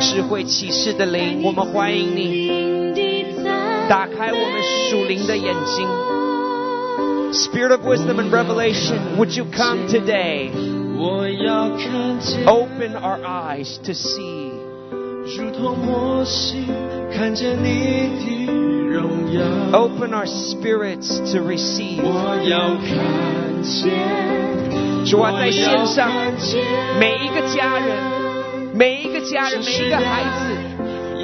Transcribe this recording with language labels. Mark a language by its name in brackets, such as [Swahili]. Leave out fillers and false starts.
[Chinese] 智慧启示的灵，我们欢迎你，打开我们属灵的眼睛。 [English] Spirit of wisdom and revelation, would you come today? [Chinese] 我要看见， [English] Open our eyes to see, [Chinese] 如同摩西看见你的荣耀。 [English] Open our spirits to receive, [Chinese] 我要看见，主啊，在线上每一个家人，每一个家人，每一个孩子，